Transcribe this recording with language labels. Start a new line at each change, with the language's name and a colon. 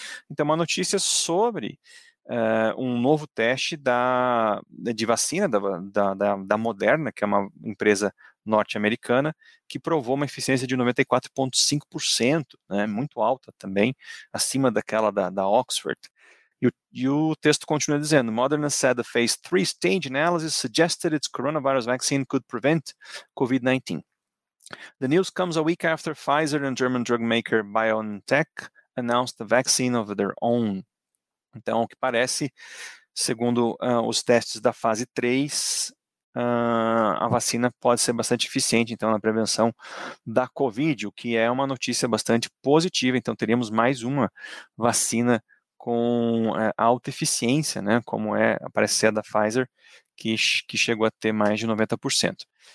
Portuguese: Então, uma notícia sobre um novo teste de vacina da Moderna, que é uma empresa norte-americana, que provou uma eficiência de 94.5%, né, muito alta também, acima daquela da Oxford. E o texto continua dizendo:
English: Moderna said the phase 3 stage analysis suggested its coronavirus vaccine could prevent COVID-19. The news comes a week after Pfizer and German drug maker BioNTech announced a vaccine of their own.
Portuguese: Então, o que parece, segundo os testes da fase 3, a vacina pode ser bastante eficiente, então, na prevenção da COVID, o que é uma notícia bastante positiva. Então, teremos mais uma vacina com alta eficiência, né, como parece ser a da Pfizer, que chegou a ter mais de 90%.